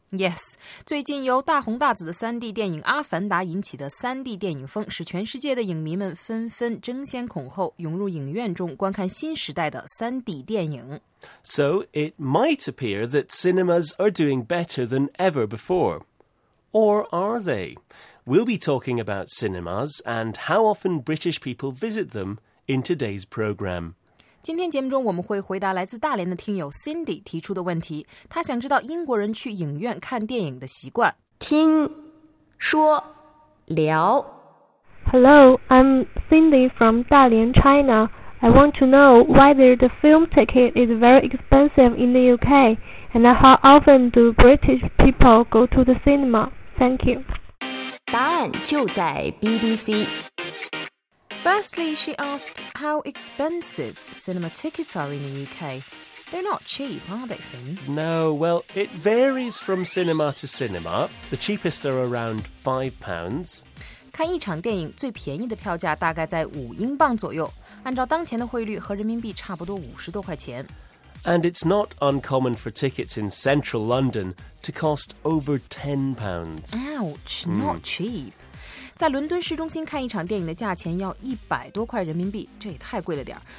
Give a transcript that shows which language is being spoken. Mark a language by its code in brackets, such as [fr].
[en] Yes, [zh] 最近由大红大紫的 3D 电影《阿凡达》引起的 3D 电影风使全世界的影迷们纷纷争先恐后涌入影院中观看新时代的 3D 电影。 [en] So it might appear that cinemas are doing better than ever before. Or are they? We'll be talking about cinemas and how often British people visit them,In today's program, [zh] 今天节目中我们会回答来自大连的听友 Cindy 提出的问题。他想知道英国人去影院看电影的习惯。听说聊。 [en] Hello, I'm Cindy from Dalian, China. I want to know whether the film ticket is very expensive in the UK, and how often do British people go to the cinema? Thank you. [zh] 答案就在 BBC. [en] Firstly, she asked how expensive cinema tickets are in the UK. They're not cheap, are they, Finn? No, well, it varies from cinema to cinema. The cheapest are around £5. [zh] 看一场电影最便宜的票价大概在£5左右，按照当前的汇率和人民币差不多50多块钱。 [en] And it's not uncommon for tickets in central London to cost over £10. Ouch, not cheap. [zh] 在伦敦市中心看一场电影的价钱要100多块人民币，这也太贵了点儿。